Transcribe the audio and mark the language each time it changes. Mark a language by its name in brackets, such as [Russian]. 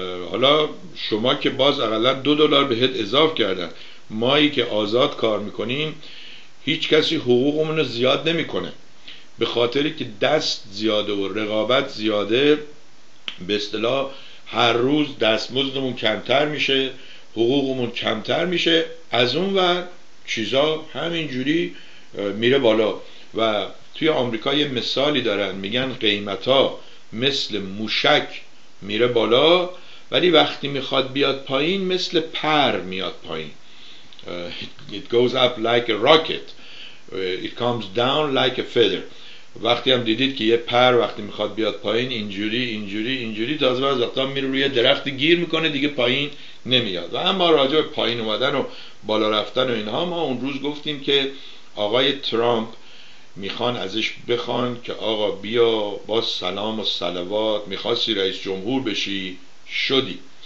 [Persian] حالا شما که باز اقلا 2 دلار بهت اضاف کردن، مایی که آزاد کار میکنیم هیچ کسی حقوقمون رو زیاد نمیکنه، به خاطری که دست زیاده و رقابت زیاده، به اصطلاح هر روز دستمزدمون کمتر میشه، حقوقمون کمتر میشه، از اون ور چیزا همینجوری میره بالا. و توی آمریکا یه مثالی دارن، میگن قیمتا مثل موشک میره بالا، ولی وقتی میخواد بیاد پایین مثل پر میاد پایین. [English] It goes up like a rocket, it comes down like a feather. [Persian] وقتی هم دیدید که یه پر وقتی میخواد بیاد پایین اینجوری اینجوری اینجوری، تازه باز وقتا میره روی درخت گیر میکنه، دیگه پایین نمیاد. و اما راجع به پایین اومدن و بالا رفتن و اینها، ما اون روز گفتیم که آقای ترامپ میخوان ازش بخوان که آقا بیا با سلام و صلوات، میخواستی رئیس جمهور بشی، شدی.